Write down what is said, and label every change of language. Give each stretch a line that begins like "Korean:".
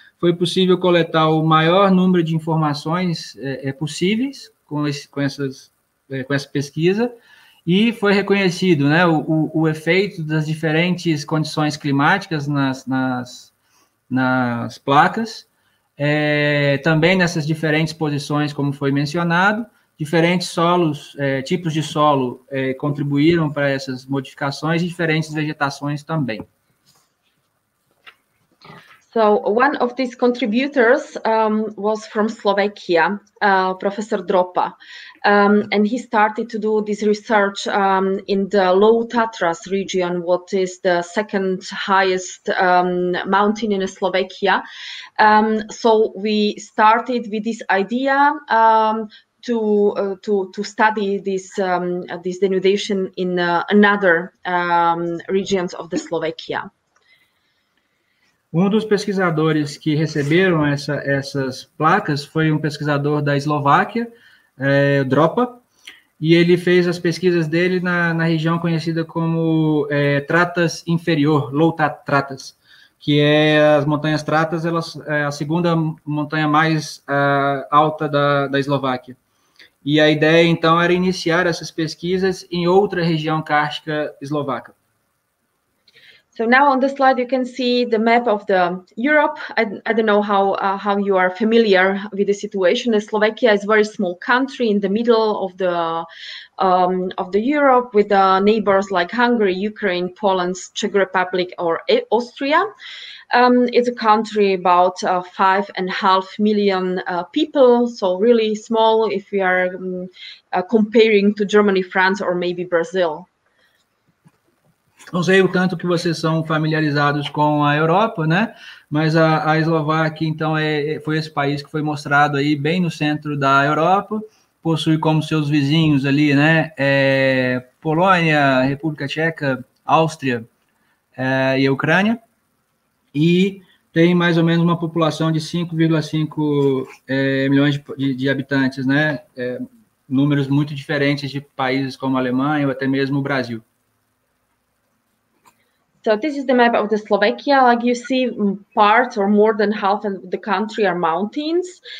Portuguese: Foi possível coletar o maior número de informações possíveis com essa pesquisa, e foi reconhecido, né, o efeito das diferentes condições climáticas nas placas, também nessas diferentes posições, como foi mencionado. Diferentes solos, tipos de solo contribuíram para essas modificações, e diferentes vegetações também.
English: So, one of these contributors was from Slovakia, Professor Dropa, and he started to do this research in the Low Tatras region, what is the second highest mountain in Slovakia. So, we started with this idea to study this denudation in another regions of the Slovakia.
Portuguese: Um dos pesquisadores que receberam essas placas foi um pesquisador da Eslováquia, Dropa, e ele fez as pesquisas dele na região conhecida como Tratas Inferior, Louta Tratas, que é as montanhas Tratas, elas é a segunda montanha mais alta da Eslováquia. E a ideia, então, era iniciar essas pesquisas em outra região kárstica eslovaca.
English: So now on the slide you can see the map of the Europe. I don't know how you are familiar with the situation. Slovakia is a very small country in the middle of the Europe, with neighbors like Hungary, Ukraine, Poland, Czech Republic, or Austria. It's a country about 5.5 million people, so really small if we are comparing to Germany, France, or maybe Brazil.
Portuguese: Não sei o tanto que vocês são familiarizados com a Europa, né? Mas a Eslováquia, então, foi esse país que foi mostrado aí bem no centro da Europa, possui como seus vizinhos ali, né? Polônia, República Tcheca, Áustria e Ucrânia. E tem mais ou menos uma população de 5,5 milhões de habitantes, né? Números muito diferentes de países como a Alemanha ou até mesmo o Brasil.
English: So this is the map of the Slovakia. Like you see, parts or more than half of the country are mountains.